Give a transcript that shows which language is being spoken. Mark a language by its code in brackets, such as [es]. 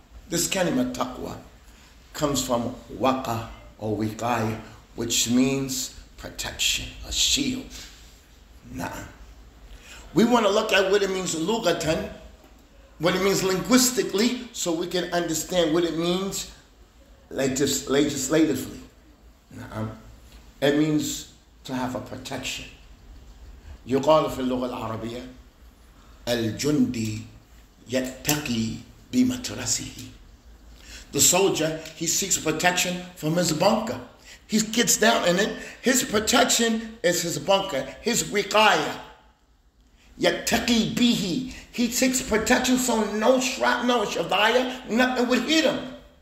[en] This kalima taqwa comes from waqa or wiqaya, which means protection, a shield. Na'am. We want to look at what it means lugatan, what it means linguistically, so we can understand what it means legislatively. Na'am. It means to have a protection. [ar] يقال في اللغة العربية الجندي يتقي بمترسه. [en] The soldier, he seeks protection from his bunker. He gets down in it. His protection is his bunker, his wiqaya. [ar] يتقي به. [en] He takes protection so no shrapnel, shavaya, nothing would hit him.